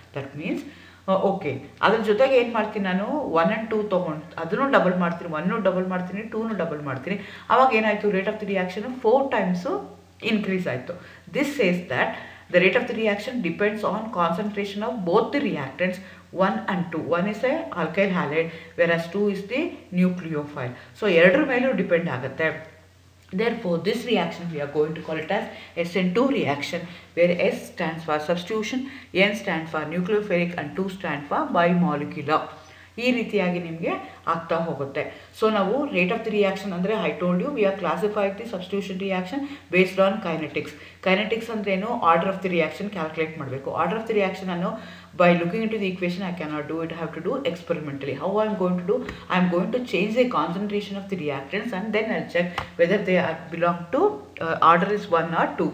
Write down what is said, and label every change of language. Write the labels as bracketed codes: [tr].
[en] that means okay, [kn] ಅದ್ರ ಜೊತೆಗೆ ಏನು ಮಾಡ್ತೀನಿ ನಾನು, ಒನ್ ಆ್ಯಂಡ್ ಟೂ ತೊಗೊಂಡು ಅದನ್ನು ಡಬಲ್ ಮಾಡ್ತೀನಿ, ಒನ್ನು ಡಬಲ್ ಮಾಡ್ತೀನಿ, ಟೂನು ಡಬಲ್ ಮಾಡ್ತೀನಿ. ಅವಾಗ ಏನಾಯಿತು, [en] rate of the reaction four times [kn] increase ಆಯಿತು. [en] This says that the rate of the reaction depends on concentration of both the reactants one and two. One is a alkyl halide, whereas two is the nucleophile. [kn] So ಎರಡರ ಮೇಲೂ depend ಆಗುತ್ತೆ. [en] Therefore, this reaction we are going to call it as SN2 reaction, where S stands for substitution, N stands for nucleophilic and 2 stands for bimolecular. [kn] ಈ ರೀತಿಯಾಗಿ ನಿಮಗೆ ಆಗ್ತಾ ಹೋಗುತ್ತೆ. [en] So ನಾವು rate of the reaction ಅಂದರೆ, I told you we are classified the substitution reaction based on kinetics. [kn] Kinetics ಅಂದ್ರೇನು, [en] order of the reaction [kn] calculate ಮಾಡಬೇಕು. [en] Order of the reaction ಅನ್ನು by looking into the equation I cannot do it, have to do experimentally. How I am going to do, I am going to change the concentration of the reactants and then I check whether they are belong to order is 1 or 2.